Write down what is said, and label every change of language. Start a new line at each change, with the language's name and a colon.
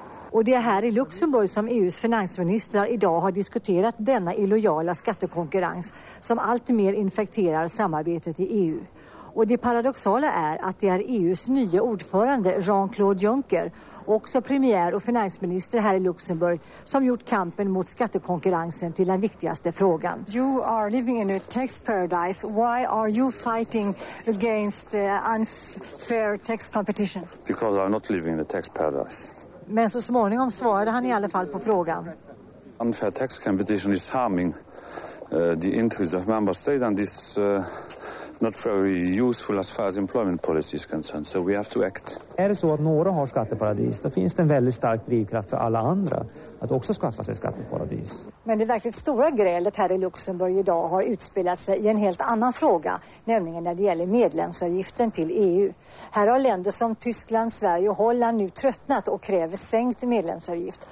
Swedish: Och det är här i Luxemburg som EUs finansministrar idag har diskuterat denna illojala skattekonkurrens som alltmer infekterar samarbetet i EU. Och det paradoxala är att det är EUs nya ordförande Jean-Claude Juncker, också premiär och finansminister här i Luxemburg, som gjort kampen mot skattekonkurrensen till den viktigaste frågan.
English: You are living in a tax paradise. Why are you fighting against unfair tax competition? Because I'm not living in a tax paradise.
Swedish: Men så småningom svarade han i alla fall på frågan.
English: unfair tax competition is harming the interests of member states, and is not very useful as far as employment policy is concerned. So we have to act.
Swedish: Är det så att några har skatteparadis, då finns det en väldigt stark drivkraft för alla andra att också skaffa sig skatteparadis. Men det verkligt stora grälet här i Luxemburg idag har utspelat sig i en helt annan fråga, nämligen när det gäller medlemsavgiften till EU. Här har länder som Tyskland, Sverige och Holland nu tröttnat och kräver sänkt medlemsavgift.